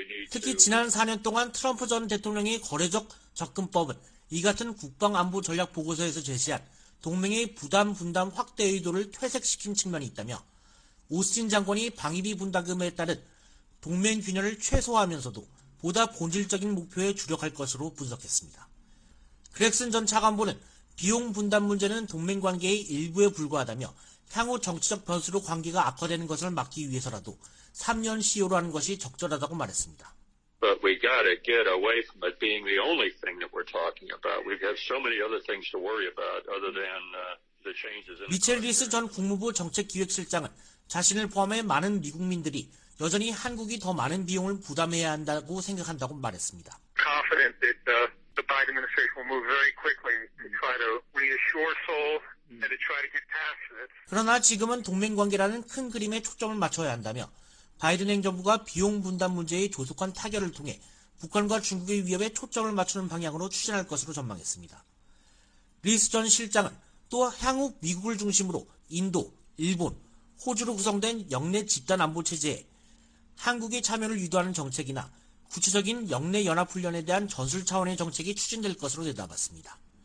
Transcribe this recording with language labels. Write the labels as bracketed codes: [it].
[ko] 특히 지난 4년 동안 트럼프 전 대통령의 거래적 접근법은 이 같은 국방안보전략보고서에서 제시한 동맹의 부담 분담 확대 의도를 퇴색시킨 측면이 있다며 오스틴 장관이 방위비 분담금에 따른 동맹 균열을 최소화하면서도 보다 본질적인 목표에 주력할 것으로 분석했습니다. 그렉슨 전 차관보는 비용 분담 문제는 동맹관계의 일부에 불과하다며 향후 정치적 변수로 관계가 악화되는 것을 막기 위해서라도 3년 시효로 하는 것이 적절하다고 말했습니다. [en] But we got to get away from it being the only thing that we're talking about. We have so many other things to worry about other than the changes in. [ko] 미첼 리스 전 국무부 정책기획실장은 자신을 포함해 많은 미국민들이 여전히 한국이 더 많은 비용을 부담해야 한다고 생각한다고 말했습니다. [en] Confident that the Biden administration will move very quickly to try to reassure Seoul and to try to get past it. [ko] 그러나 지금은 동맹 관계라는 큰 그림에 초점을 맞춰야 한다며 바이든 행정부가 비용 분담 문제의 조속한 타결을 통해 북한과 중국의 위협에 초점을 맞추는 방향으로 추진할 것으로 전망했습니다. 리스 전 실장은 또 향후 미국을 중심으로 인도, 일본, 호주로 구성된 영내 집단 안보 체제에 한국의 참여를 유도하는 정책이나 구체적인 영내 연합훈련에 대한 전술 차원의 정책이 추진될 것으로 대답했습니다.